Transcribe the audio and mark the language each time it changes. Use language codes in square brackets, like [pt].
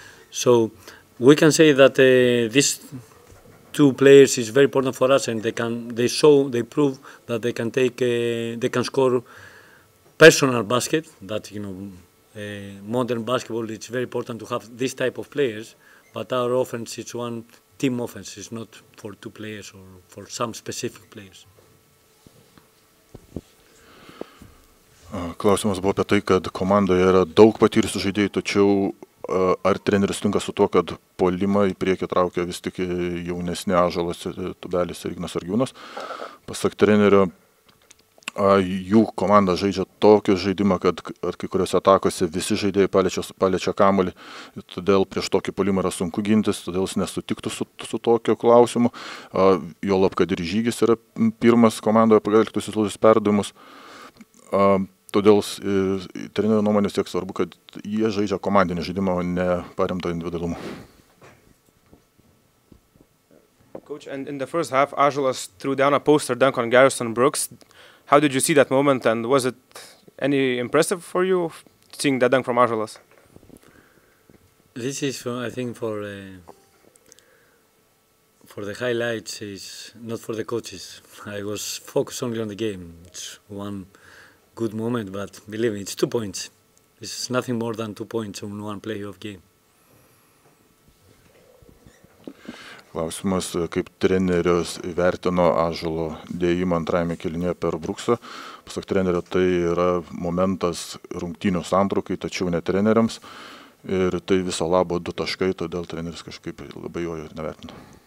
[en] So we can say that this two players is very important for us, and they prove that they can take they can score personal basket, that modern basketball it's very important to have this type of players, but our offense is one team offense, it's not for two players or for some specific players. [lt] Klausimas buvo apie tai, kad komandoje yra daug patyrusių žaidėjų, tačiau ar treneris sutinka su tuo, kad puolimą į priekį traukia vis tik jaunesni Anželas Tubelis ir Ignas Argiūnas? Pasak trenerio, jų komanda žaidžia tokį žaidimą, kad kai kuriuose atakose visi žaidėjai paliečia kamuolį, todėl prieš tokį puolimą yra sunku gintis, todėl jis nesutiktų su tokio klausimu. Jolab, kad ir Žygis yra pirmas komandoje pagal tikslius perdavimus. Todėl trenerio nuomonės tiek svarbu, kad jie žaidžia komandinį žaidimą, o ne paremtą individualumą. [en] Coach, and in the first half, Anželas threw down a poster dunk on Garrison Brooks. How did you see that moment, and was it any impressive for you, seeing that dunk from Anželas? This is, I think, for the highlights, is not for the coaches. I was focused only on the game. It's one good moment, but believe me, it's 2 points. It's nothing more than 2 points in one playoff game. [lt] Klausimas, kaip treneris įvertino Anželo dėjimą antrajame kelinėje per Bruksą. Pasak trenerio, tai yra momentas rungtynių santraukai, tačiau ne treneriams. Ir tai viso labo du taškai, todėl treneris kažkaip labai jo ir nevertino.